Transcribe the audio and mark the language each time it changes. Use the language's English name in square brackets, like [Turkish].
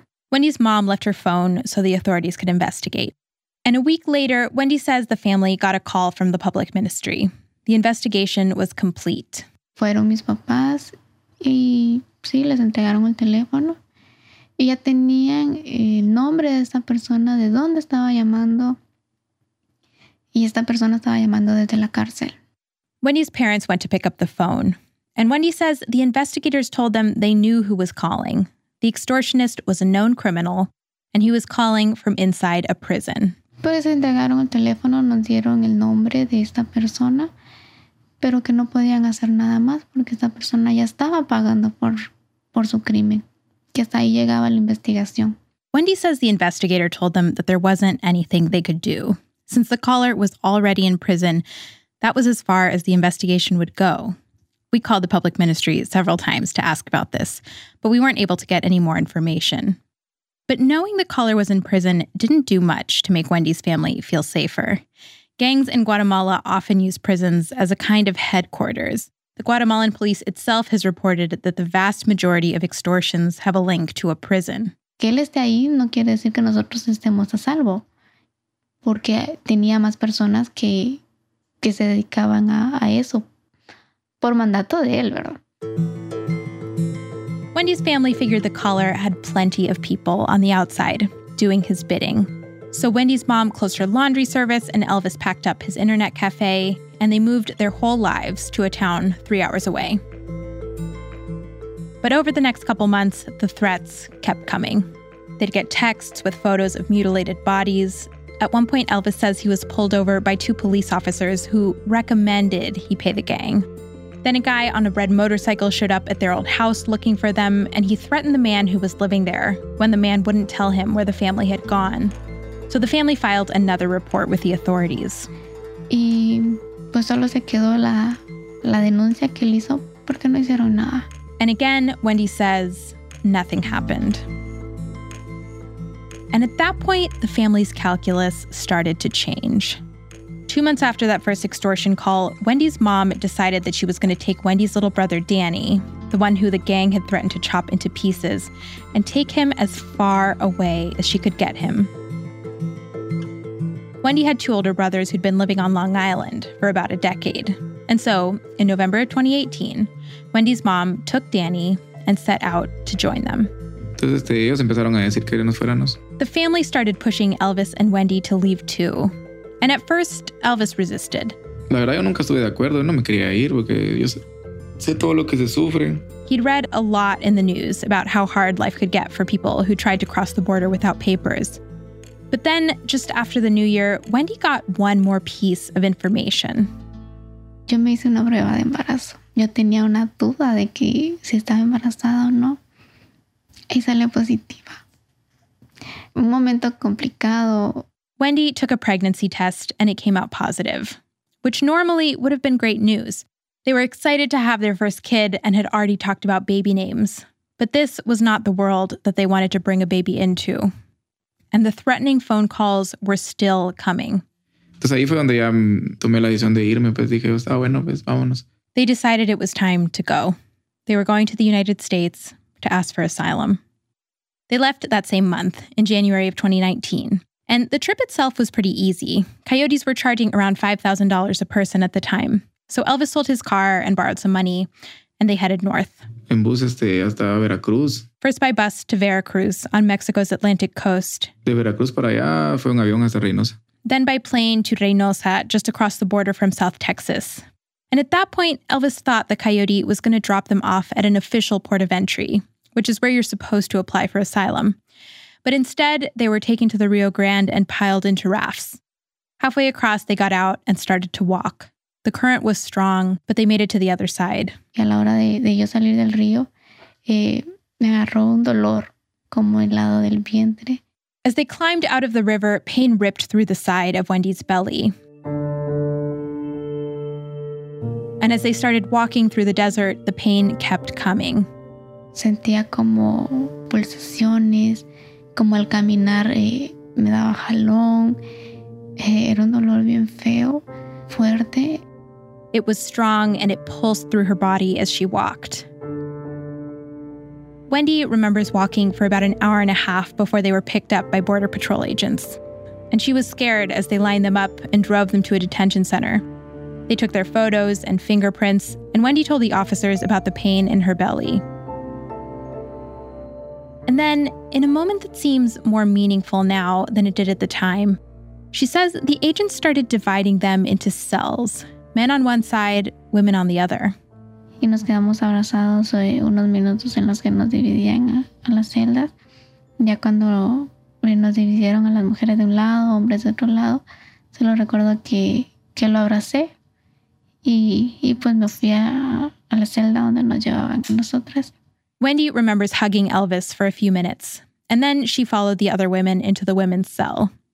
[English] Wendy's mom left her phone so the authorities could investigate. And a week later, Wendy says the family got a call from the public ministry. The investigation was complete. [Spanish] Fueron mis papás y sí, les entregaron el teléfono. Y ya tenían el nombre de esta persona, de dónde estaba llamando. Y esta persona estaba llamando desde la cárcel. [English] Wendy's parents went to pick up the phone. And Wendy says the investigators told them they knew who was calling. The extortionist was a known criminal, and he was calling from inside a prison. [Spanish] Pues entregaron el teléfono, nos dieron el nombre de esta persona, pero que no podían hacer nada más porque esta persona ya estaba pagando por su crimen, que hasta ahí llegaba la investigación. [English] Wendy says the investigator told them that there wasn't anything they could do. Since the caller was already in prison, that was as far as the investigation would go. We called the public ministry several times to ask about this, but we weren't able to get any more information. But knowing the caller was in prison didn't do much to make Wendy's family feel safer. Gangs in Guatemala often use prisons as a kind of headquarters. The Guatemalan police itself has reported that the vast majority of extortions have a link to a prison. [Spanish] Que él esté ahí no quiere decir que nosotros estemos a salvo, porque tenía más personas que se dedicaban a eso. Por mandato de él, ¿verdad? [English] Wendy's family figured the caller had plenty of people on the outside doing his bidding. So Wendy's mom closed her laundry service and Elvis packed up his internet cafe and they moved their whole lives to a town 3 hours away. But over the next couple months, the threats kept coming. They'd get texts with photos of mutilated bodies. At one point, Elvis says he was pulled over by two police officers who recommended he pay the gang. Then a guy on a red motorcycle showed up at their old house looking for them, and he threatened the man who was living there when the man wouldn't tell him where the family had gone. So the family filed another report with the authorities. [Spanish] Y pues solo se quedó la denuncia que él hizo porque no hicieron nada. [English] And again, Wendy says, nothing happened. And at that point, the family's calculus started to change. 2 months after that first extortion call, Wendy's mom decided that she was going to take Wendy's little brother, Danny, the one who the gang had threatened to chop into pieces, and take him as far away as she could get him. Wendy had two older brothers who'd been living on Long Island for about a decade. And so, in November of 2018, Wendy's mom took Danny and set out to join them. [Spanish] Entonces, ellos empezaron a decir que nos fuéramos. [English] The family started pushing Elvis and Wendy to leave too. And at first, Elvis resisted. [Spanish] La verdad, yo nunca estuve de acuerdo. Yo no me quería ir porque yo sé todo lo que se sufre. [English] He'd read a lot in the news about how hard life could get for people who tried to cross the border without papers. But then, just after the new year, Wendy got one more piece of information. [Spanish] Yo me hice una prueba de embarazo. Yo tenía una duda de que si estaba embarazada o no. Y salió positiva. Un momento complicado. [English] Wendy took a pregnancy test and it came out positive, which normally would have been great news. They were excited to have their first kid and had already talked about baby names. But this was not the world that they wanted to bring a baby into. And the threatening phone calls were still coming. [Spanish] Entonces ahí fue donde ya tomé la decisión de irme, pues dije, ah, bueno, pues vámonos. [English] They decided it was time to go. They were going to the United States to ask for asylum. They left that same month, in January of 2019. And the trip itself was pretty easy. Coyotes were charging around $5,000 a person at the time. So Elvis sold his car and borrowed some money, and they headed north. [Spanish] En bus hasta Veracruz. [English] First by bus to Veracruz on Mexico's Atlantic coast. [Spanish] De Veracruz para allá fue un avión hasta Reynosa. [English] Then by plane to Reynosa, just across the border from South Texas. And at that point, Elvis thought the coyote was going to drop them off at an official port of entry, which is where you're supposed to apply for asylum. But instead, they were taken to the Rio Grande and piled into rafts. Halfway across, they got out and started to walk. The current was strong, but they made it to the other side. [Spanish] Y a la hora de yo salir del río, me agarró un dolor como el lado del vientre. [English] As they climbed out of the river, pain ripped through the side of Wendy's belly. And as they started walking through the desert, the pain kept coming. [Spanish] Sentía como pulsaciones, como al caminar me daba jalón. Era un dolor bien feo, fuerte. [English] It was strong and it pulsed through her body as she walked. Wendy remembers walking for about an hour and a half before they were picked up by Border Patrol agents. And she was scared as they lined them up and drove them to a detention center. They took their photos and fingerprints, and Wendy told the officers about the pain in her belly. And then, in a moment that seems more meaningful now than it did at the time, she says the agents started dividing them into cells, men on one side, women on the other. [Spanish] Y nos quedamos abrazados unos minutos en los que nos dividían a las celdas. Ya cuando nos dividieron a las mujeres de un lado, hombres de otro lado, solo recuerdo que lo abracé y pues me fui a la celda donde nos llevaban a nosotras. [English] Wendy remembers hugging Elvis for a few minutes, and then she followed the other women into the women's cell.